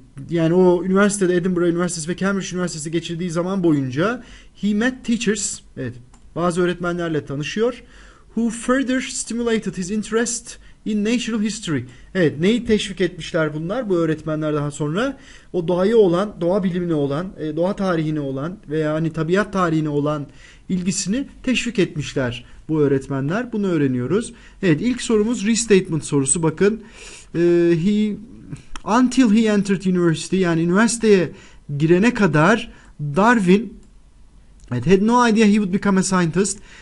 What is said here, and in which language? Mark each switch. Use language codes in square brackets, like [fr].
[tr] Yani o üniversitede Edinburgh Üniversitesi ve Cambridge Üniversitesi geçirdiği zaman boyunca [en] he met teachers. [tr] Evet. Bazı öğretmenlerle tanışıyor. [en] Who further stimulated his interest in natural history. [tr] Evet, neyi teşvik etmişler bunlar bu öğretmenler daha sonra? O doğaya olan, doğa bilimine olan, doğa tarihine olan veya hani tabiat tarihine olan ilgisini teşvik etmişler bu öğretmenler. Bunu öğreniyoruz. Evet, ilk sorumuz restatement sorusu. Bakın, [en] he until he entered university, [tr] yani üniversiteye girene kadar Darwin evet, [en] had no idea he would become a scientist.